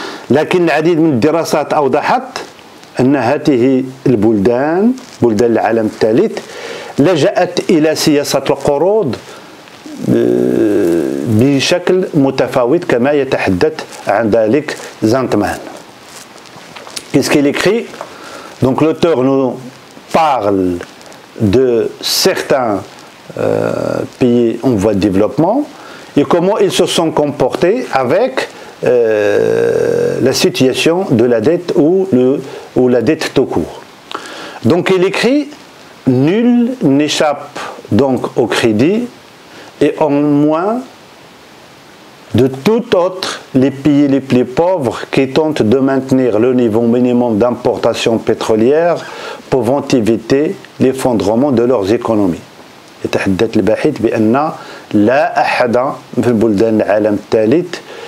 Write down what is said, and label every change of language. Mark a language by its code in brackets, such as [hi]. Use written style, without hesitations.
[ar] لكن العديد من الدراسات أوضحت أن هذه البلدان بلدان العالم الثالث لجأت إلى سياسة القروض بشكل متفاوت كما يتحدث عن ذلك زانتمان. [fr] Qu'est-ce qu'il écrit ? Donc l'auteur nous parle de certains pays en voie de développement et comment ils se sont comportés avec la situation de la dette ou la dette tout court. Donc il écrit « Nul n'échappe donc au crédit et en moins de tout autre les pays les plus pauvres qui tentent de maintenir le niveau minimum d'importation pétrolière pouvant éviter l'effondrement de leurs économies. » [ar] يتحدث الباحث بأن لا أحد في البلدان العالم الثالث